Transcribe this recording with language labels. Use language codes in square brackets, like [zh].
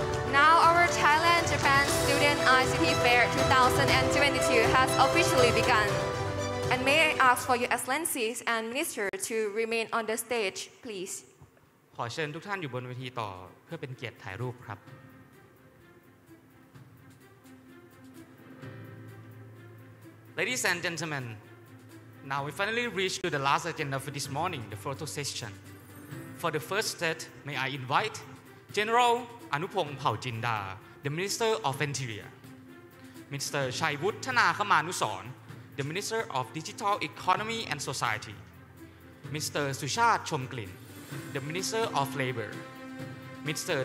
[en] ICT Fair 2022 has officially begun. And may I ask for your excellencies and minister to remain on the stage, please. [th] ขอเชิญทุกท่านอยู่บนเวทีต่อเพื่อเป็นเกียรติถ่ายรูปครับ [en] Ladies and gentlemen, now we finally reached to the last agenda for this morning, the photo session. For the first set, may I invite General Anupong Phaojinda, the Minister of Interior. Mr. Chaiwut Thanakamanusorn, the Minister of Digital Economy and Society. Mr. Suchat Chomklin, the Minister of Labor. Mr.